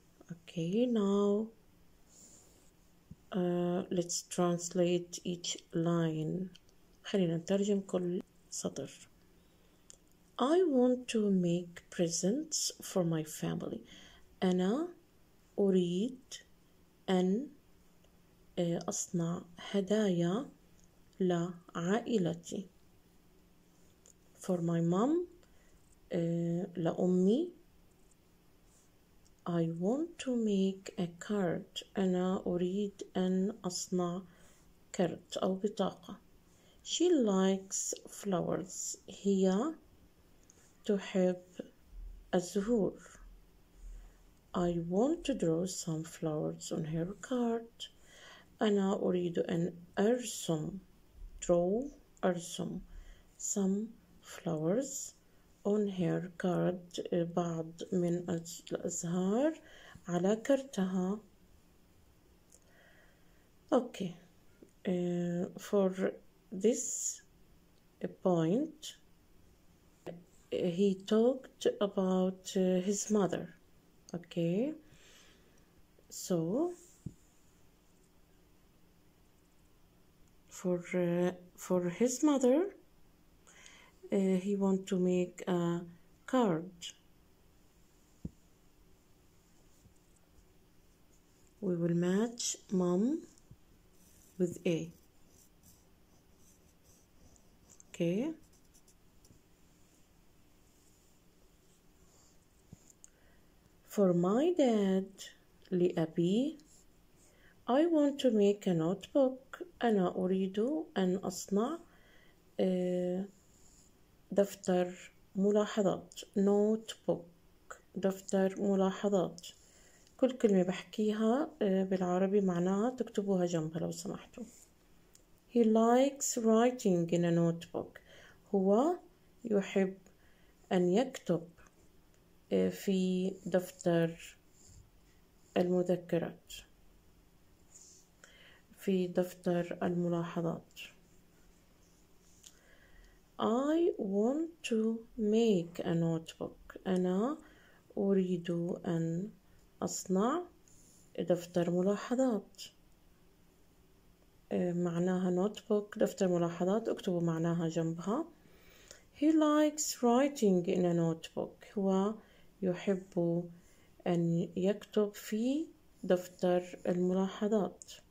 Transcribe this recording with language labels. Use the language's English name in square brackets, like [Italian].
[English] Okay, now let's translate each line. [Arabic] خلينا نترجم كل سطر. [English] I want to make presents for my family. [Arabic] أنا أريد أن أصنع هدايا لعائلتي. [English] For my mom, [Arabic] لأمي. [English] I want to make a card. [Arabic] أنا أريد أن أصنع كرت أو بطاقة. [English] She likes flowers. [Arabic] هي تحب الزهور. [English] I want to draw some flowers on her card. [Arabic] أنا أريد أن أرسم, draw, أرسم [English] some flowers on her card, [Arabic] بعض من الأزهار على كرتها. [English] Okay. For this point, he talked about his mother. Okay, so for his mother, he want to make a card. We will match mom with A. Okay. For my dad, [Arabic] لأبي, [English] I want to make a notebook. [Arabic] أنا أريد أن أصنع دفتر ملاحظات. [English] Notebook, [Arabic] دفتر ملاحظات. كل كلمة بحكيها بالعربي معناها تكتبوها جنبها لو سمحتوا. [English] He likes writing in a notebook. [Arabic] هو يحب أن يكتب في دفتر المذكرات، في دفتر الملاحظات. [English] I want to make a notebook. [Arabic] أنا أريد أن أصنع دفتر ملاحظات. معناها notebook، دفتر ملاحظات، أكتب معناها جنبها. [English] He likes writing in a notebook. [Arabic] هو يحب أن يكتب في دفتر الملاحظات.